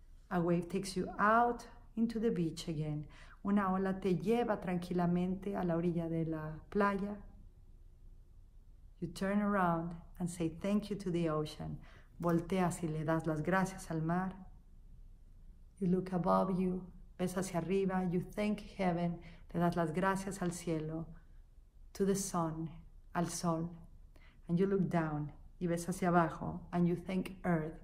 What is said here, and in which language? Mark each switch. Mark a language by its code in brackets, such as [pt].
[en] A wave takes you out into the beach again. [es] Una ola te lleva tranquilamente a la orilla de la playa. [en] You turn around and say thank you to the ocean. [es] Volteas y le das las gracias al mar. [en] You look above you. [es] Ves hacia arriba. [en] You thank heaven. [es] Le das las gracias al cielo. [en] To the sun. [es] Al sol. [en] And you look down. [es] Y ves hacia abajo. [en] And you thank earth.